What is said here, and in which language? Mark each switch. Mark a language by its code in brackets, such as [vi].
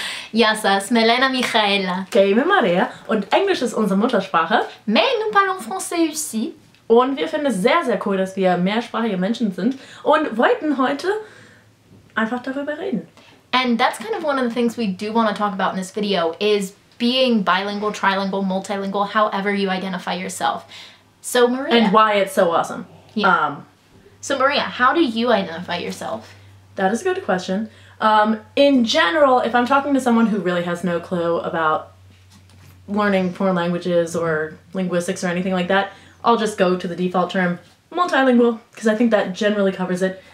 [el] Γεια σας, με λένε Michaela. Και είμαι Maria. [de] Und Englisch ist unsere Muttersprache. [fr] Mais nous parlons français aussi. [de] Und wir finden es sehr, sehr cool, dass wir mehrsprachige Menschen sind und wollten heute einfach darüber reden. [en] And that's kind of one of the things we do want to talk about in this video is being bilingual, trilingual, multilingual, however you identify yourself. So Maria. And why it's so awesome. Yeah. So Maria, how do you identify yourself? That is a good question. In general, if I'm talking to someone who really has no clue about learning foreign languages or linguistics or anything like that, I'll just go to the default term, multilingual, because I think that generally covers it.